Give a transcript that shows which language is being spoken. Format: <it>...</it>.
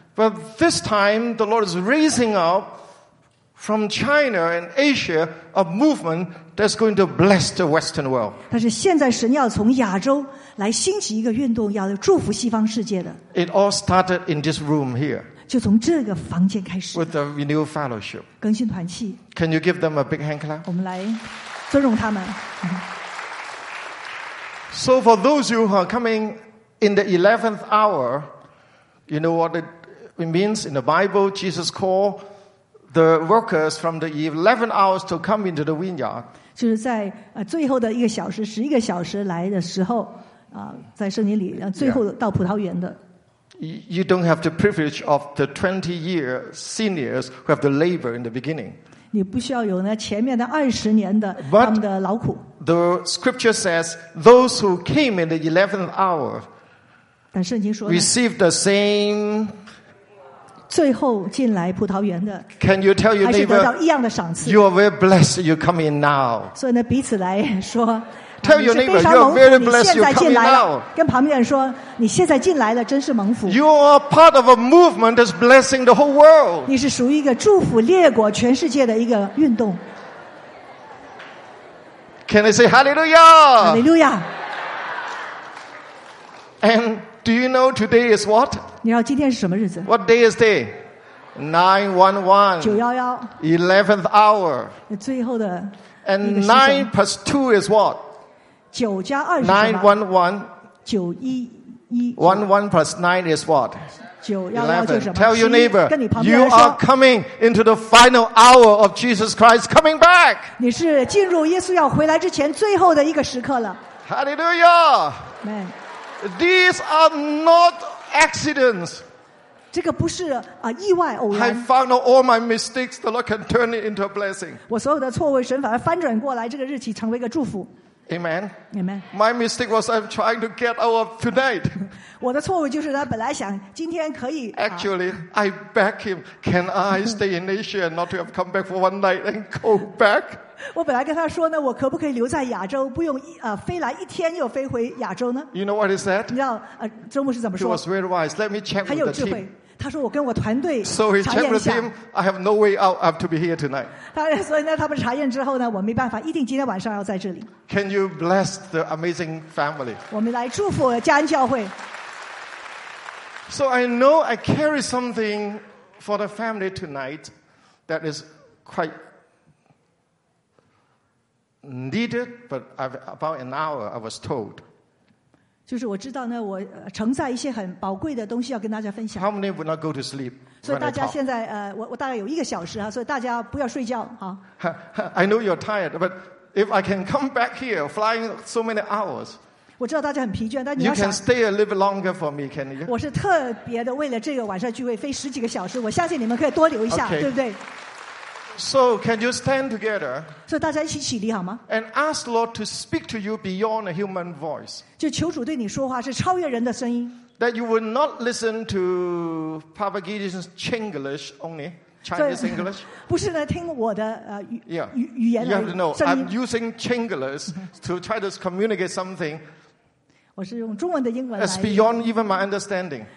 <en>But this time, the Lord is raising up from China and Asia a movement that's going to bless the Western world.</en> <zh>但是现在神要从亚洲来兴起一个运动，要祝福西方世界的。</zh> <en>It all started in this room here.</en> <zh>就从这个房间开始。</zh> <en>With the Renew Fellowship.</en> <zh>更新团契。</zh> <en>Can you give them a big hand clap?</en> <zh>我们来尊重他们。</zh> <en>So for those of you who are coming in the 11th hour, you know what it means in the Bible? Jesus called the workers from the 11th hours to come into the vineyard.</en> <zh>就是在最后的一个小时，11个小时来的时候，在圣经里最后到葡萄园的。</zh> <en>You don't have the privilege of the 20-year seniors who have the labor in the beginning.</en> <zh>你不需要有那前面的二十年的他们的劳苦。</zh> <en>The scripture says those who came in the 11th hour.</en> <zh>但圣经说。</zh> <en>Received the same.</en> <zh>最后进来葡萄园的。</zh> <en>Can you tell your neighbor?</en> <zh>还是得到一样的赏赐。</zh> <en>You are very blessed. You come in now.</en> <zh>所以呢，彼此来说。</zh> <en>Tell your neighbor, you are very blessed. You come in now.</en> <zh>跟旁边人说，你现在进来了，真是蒙福。</zh> <en>You are part of a movement that's blessing the whole world.</en> <zh>你是属于一个祝福列国全世界的一个运动。</zh> <en>Can I say hallelujah? Hallelujah. And do you know today is what?</en> <zh>你知道今天是什么日子？</zh> <en>What day is day? 911. 911. 11th hour.</en> <zh>最后的。</zh> <en>And 9 plus 2 is what?</en> <zh>九加二十。 911。九一一。</zh> <en>11 plus 9 is what?</en> <zh>911就是什</zh> <en>么？ Tell your neighbor, you are coming into the final hour of Jesus Christ coming back.</en> <zh>你是进入耶稣要回来之前最后的一个时刻了。</zh> <en>Hallelujah. Man. These are not accidents.</en> <zh>这个不是意外偶然。</zh> <en>I found all my mistakes, the Lord can turn it into a blessing.</en> <zh>我所有的错误神反而翻转过来，这个日期成为一个祝福。</zh> <en>Amen. Amen. My mistake was I'm trying to get out of tonight.</en> <zh>我的错误就是他本来想今天可以。</zh> <en>Actually, I beg him, can I stay in Asia and not to have come back for one night and go back?</en> <zh>我本来跟他说呢，我可不可以留在亚洲，不用飞来一天又飞回亚洲呢？</zh> <en>You know what he said?</en> <zh>你知道周牧师怎么说？</zh> <en>He was very wise. Let me check with the team.</en> <zh>他说我跟我团队查验一下。</zh> <en>So he checked with him. I have no way out. I have to be here tonight.</en> <zh>所以呢，他们查验之后呢，我没办法，一定今天晚上要在这里。</zh> <en>Can you bless the amazing family?</en> <zh>我们来祝福佳恩教会。</zh> <en>So I know I carry something for the family tonight that is quite needed, but about an hour I was told.</en> <zh>就是我知道呢，我承载一些很宝贵的东西要跟大家分享。</zh> <en>How many would not go to sleep?</en> <zh>所以大家现在我大概有一个小时啊，所以大家不要睡觉</zh> <en>啊。I know you're tired, but if I can come back here flying so many hours,</en> <zh>我知道大家很疲倦，但你要</zh> <en>想 you can stay a little bit longer for me, can you?</en> <zh>我是特别的为了这个晚上聚会飞十几个小时，我相信你们可以多留一下，</zh> <en>okay.</en> <zh>对不对？</zh> <en>So can you stand together?</en> <zh>所以大家一起起立好吗？</zh> <en>And ask Lord to speak to you beyond a human voice.</en> <zh>就求主对你说话是超越人的声音。</zh> <en>That you will not listen to Papa Gideon's Chinglish only Chinese English.</en> <zh>不是呢，听我的语言。</zh> <en>You have to know I'm using Chinglish to try to communicate something.</en> <zh>我是用中文的英文来。</zh> <en>It's beyond even my understanding.</en>